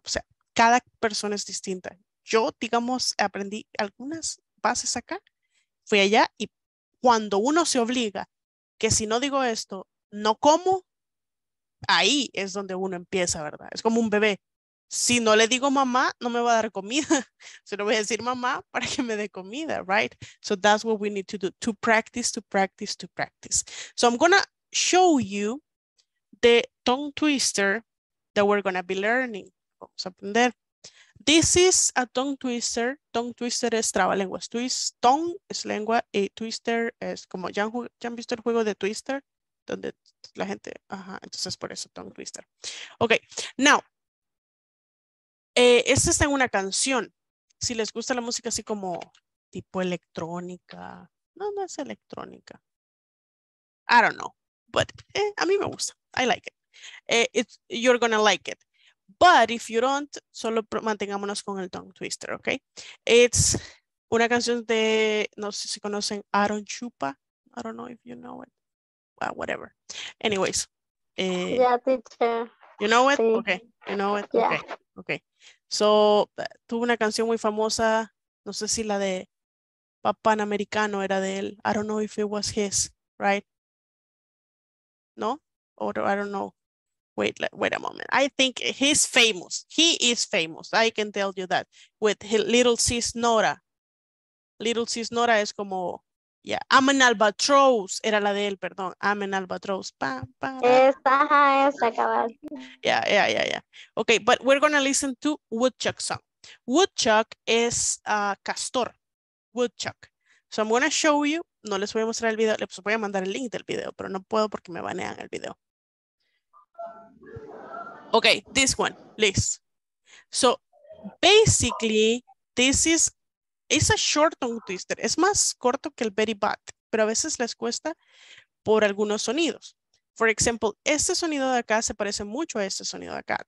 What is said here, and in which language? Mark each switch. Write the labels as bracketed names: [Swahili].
[Spanish] O sea, cada persona es distinta. Yo, digamos, aprendí algunas bases acá, fui allá, y cuando uno se obliga que si no digo esto, no como, ahí es donde uno empieza, ¿verdad? Es como un bebé. Si no le digo mamá, no me va a dar comida. Se lo voy a decir mamá para que me dé comida, right? [English] So that's what we need to do, to practice, to practice, to practice. So I'm gonna show you the tongue twister that we're gonna be learning. [Spanish] Vamos a aprender. [English] This is a tongue twister. [Spanish] Tongue twister es trabalenguas. Twist, tongue es lengua, y twister es como, ¿ya han visto el juego de twister? Donde la gente, ajá, entonces por eso tongue twister. [English] Okay, now. [Spanish] Esta está en una canción. Si les gusta la música así como tipo electrónica. No, no es electrónica. [English] I don't know. But [Spanish] a mí me gusta. [English] I like it. You're gonna like it. But if you don't, [Spanish] solo mantengámonos con el tongue twister, ¿ok? [English] It's [Spanish] una canción de, no sé si conocen, [English] Aaron Chupa. I don't know if you know it. Well, whatever. Anyways. Yeah, teacher. You know it? [Spanish] Sí. [English] Okay. You know it? Yeah. Okay. Okay. [Spanish] So, tuvo una canción muy famosa, no sé si la de Papá Americano era de él. [English] I don't know if it was his, right? No? Or I don't know. Wait a moment. I think he's famous. He is famous. I can tell you that. With Little Sis Nora. Little Sis Nora es como, yeah. I'm an albatross. [Spanish] Era la de él, perdón. [English] I'm an albatross. Pam, pam. [Spanish] Esta, ajá, esta, cabal. [English] Yeah. Okay, but we're going to listen to Woodchuck song. [Spanish] Woodchuck es castor. Woodchuck. [English] So I'm going to show you. [Spanish] No les voy a mostrar el video. Les voy a mandar el link del video, pero no puedo porque me banean el video. [English] Okay, this one, Liz. So basically, this is, it's a short tongue twister. [Spanish] Es más corto que el very bad, pero a veces les cuesta por algunos sonidos. [English] For example, este sonido de acá se parece mucho a este sonido de acá.